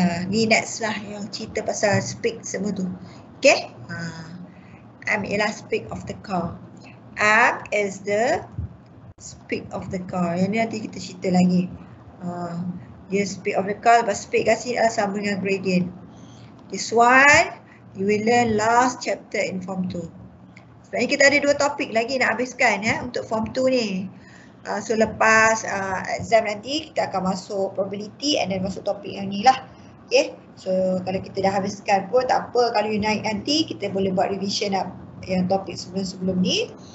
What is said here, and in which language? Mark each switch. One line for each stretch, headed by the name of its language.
Malay: Ni next lah yang cerita pasal speed semua tu.
English: Okay. M ialah speed of the car. M is the speed of the car.
Malay: Yang ni nanti kita cerita lagi. Dia
English: speed of the car.
Malay: Lepas speed kat sini adalah sama dengan gradient.
English: This one, you will learn last chapter in form 2.
Malay: Sebenarnya kita ada dua topik lagi nak habiskan ya untuk form 2 ni. So lepas exam nanti kita akan masuk probability and then masuk topik yang ni lah. Okay. So kalau kita dah habiskan pun tak apa, kalau you naik nanti kita boleh buat revision lah yang topik sebelum-sebelum ni.